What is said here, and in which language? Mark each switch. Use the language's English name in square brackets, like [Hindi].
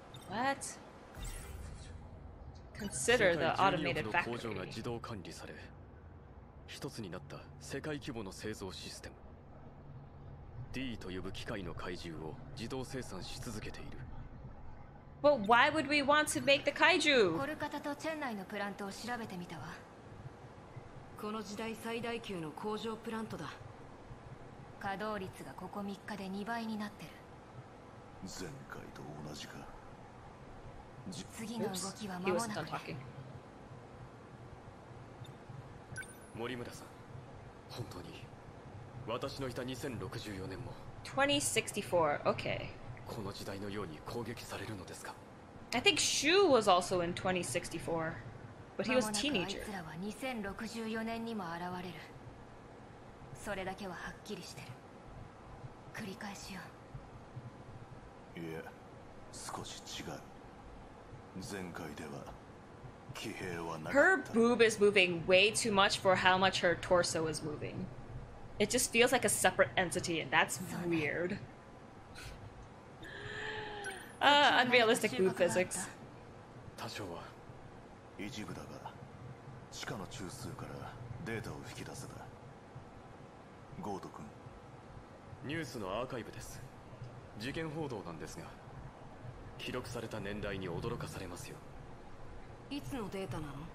[English] What? Consider the automated factory. [Japanese] 工場が自動管理され。一つになった世界規模の製造システム D と呼ぶ機械の怪獣を自動生産し続けている。 [English] But why would we want to make the 怪獣? [Japanese] コルカタとチェンナイのプラントを調べてみたわ。この時代最大級の工場プラントだ。稼働率がここ3日で2倍になってる。前回と同じか。次の動きは間もなくね。森村さん、本当に私のいた2064年も [English] 2064、OK [Japanese] この時代のように攻撃されるのですか。 [English] I think Shu was also in 2064 but he was a teenager。 [Japanese] あいつらは2064年にも現れる。それだけははっきりしてる。繰り返しよう。いや、少し違う。前回では [English] Her boob is moving way too much for how much her torso is moving. It just feels like a separate entity, and that's weird. unrealistic boob physics. [Japanese] 多少は一部だが、地下の中枢からデータを引き出せた。ゴート君、ニュースのアーカイブです。事件報道なんですが、記録された年代に驚かされますよ。いつのデータなの？